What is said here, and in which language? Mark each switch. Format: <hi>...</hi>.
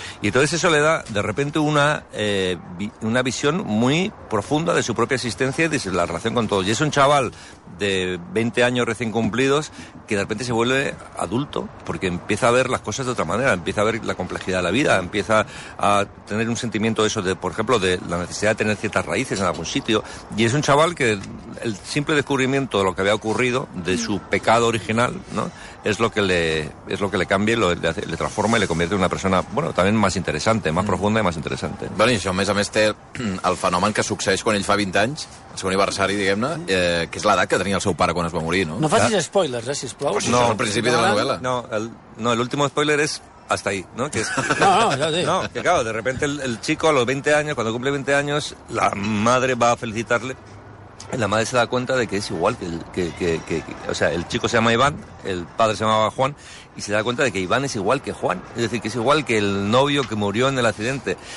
<es>Y entonces eso le da de repente una visión muy profunda de su propia existencia y de la relación con todos. Y es un chaval de 20 años recién cumplidos, que de repente se vuelve adulto, porque empieza a ver las cosas de otra manera, empieza a ver la complejidad de la vida, empieza a tener un sentimiento de eso, de, por ejemplo, de la necesidad de tener ciertas raíces en algún sitio. Y es un chaval que el simple descubrimiento de lo que había ocurrido, de su pecado original, ¿no?, es lo que le cambia, le transforma y le convierte en una persona, bueno, también más interesante, más profunda y más interesante.</es> <ca>Bueno, y eso, a més, té el fenomen que succeeix quan ell fa 20 anys, el seu aniversari, diguem-ne, que és l'edat que tenia el seu pare quan es va morir, no? No facis spoilers, sisplau. No, al principi de la novel·la.</ca> <es>No, el último spoiler es hasta ahí, ¿no? Que es... No, que claro, de repente el chico a los 20 años, cuando cumple 20 años, la madre va a felicitarle. La madre se da cuenta de que es igual que o sea, el chico se llama Iván, el padre se llamaba Juan, y se da cuenta de que Iván es igual que Juan, es decir, que es igual que el novio que murió en el accidente.</es>